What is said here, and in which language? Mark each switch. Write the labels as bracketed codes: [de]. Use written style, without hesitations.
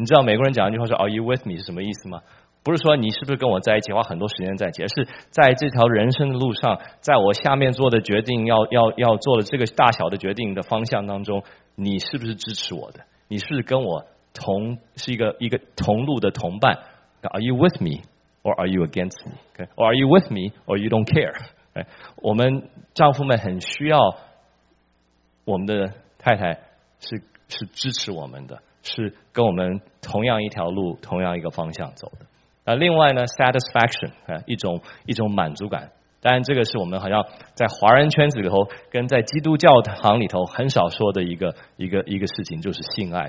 [zh] 你知道美国人讲一句话说 [en] are you with me [zh] 是什么意思吗？不是说你是不是跟我在一起花很多时间在一起，而是在这条人生的路上，在我下面做的决定 要做的这个大小的决定的方向当中，你是不是支持我的，你是不是跟我同是一个同路的同伴。 [en] Are you with me or are you against me?、Okay? Or are you with me or you don't care?、Okay? [zh] 我们丈夫们很需要我们的太太 是支持我们的，是跟我们同样一条路同样一个方向走的。那另外呢 satisfaction、okay? 一种满足感，当然这个是我们好像在华人圈子里头跟在基督教堂里头很少说的一个事情，就是性爱。